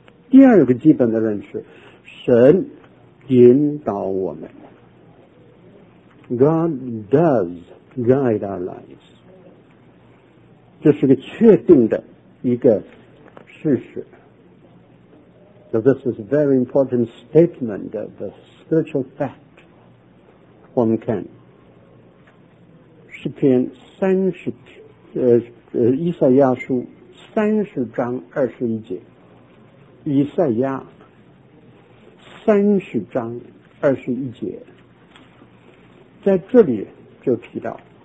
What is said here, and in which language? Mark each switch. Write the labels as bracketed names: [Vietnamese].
[Chinese] 第二个基本的认识，神引导我们， [English] God does guide our lives， [Chinese] 这是个确定的一个事实。 [English] So this is a very important statement of the spiritual fact。 [Chinese] 我们看诗篇三十，以赛亚书30章21节，以赛亚30章21节，在这里就提到，